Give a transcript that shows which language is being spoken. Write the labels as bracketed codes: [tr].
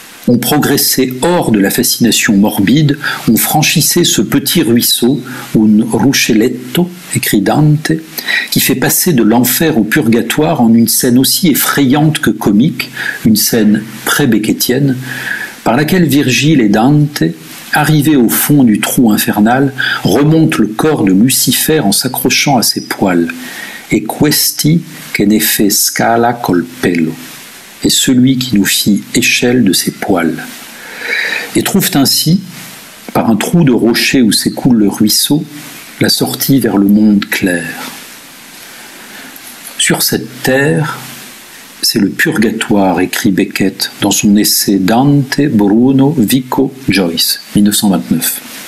[fr] On progressait hors de la fascination morbide, on franchissait ce petit ruisseau, un ruscelletto, écrit Dante, qui fait passer de l'enfer au purgatoire en une scène aussi effrayante que comique, une scène pré-beckettienne, par laquelle Virgile et Dante, arrivés au fond du trou infernal, remontent le corps de Lucifer en s'accrochant à ses poils. [it] Et questi che ne fe scala col pelo. [fr] Et celui qui nous fit échelle de ses poils. Et trouvent ainsi, par un trou de rocher où s'écoule le ruisseau, la sortie vers le monde clair. Sur cette terre, c'est le purgatoire, écrit Beckett dans son essai Dante Bruno Vico Joyce, 1929.